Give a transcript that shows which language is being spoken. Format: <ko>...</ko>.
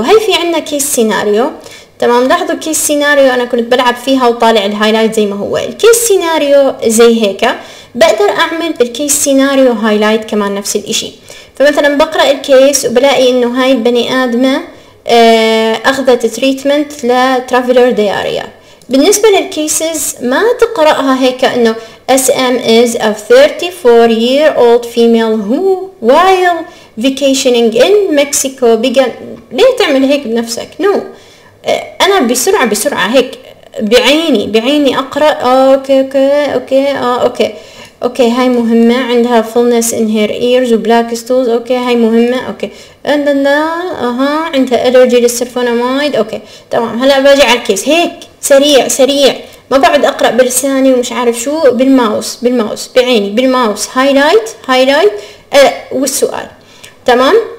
<ar>هاي في عندنا كيس سيناريو تمام, لاحظوا كيس سيناريو انا كنت بلعب فيها وطالع الهايلايت زي ما هو, الكيس سيناريو زي هيك بقدر اعمل الكيس سيناريو هايلايت كمان نفس الاشي, فمثلا بقرأ الكيس وبلاقي انه هاي البني آدمة اخذت تريتمنت لترافيلر دياريا. بالنسبة للكيسز ما تقرأها هيك انه</ar> <en>SM is a 34-year-old female who, while vacationing in Mexico, began...</en> <ar>ليه تعمل هيك بنفسك؟ نو أنا بسرعة بسرعة هيك بعيني بعيني أقرأ. أوكي أوكي أوكي أوكي أوكي هاي مهمة. عندها</ar> <en>fullness in her ears</en> <ar>و</ar> <en>black stools.</en> <ar>أوكي هاي مهمة. أوكي</ar> <en>and then</en> <ar>عندها allergy للسلفونامايد. أوكي تمام. هلأ باجي على الكيس هيك سريع سريع، ما بعد أقرأ بلساني ومش عارف شو. بالماوس بالماوس بعيني بالماوس هايلايت هايلايت والسؤال تمام.</ar>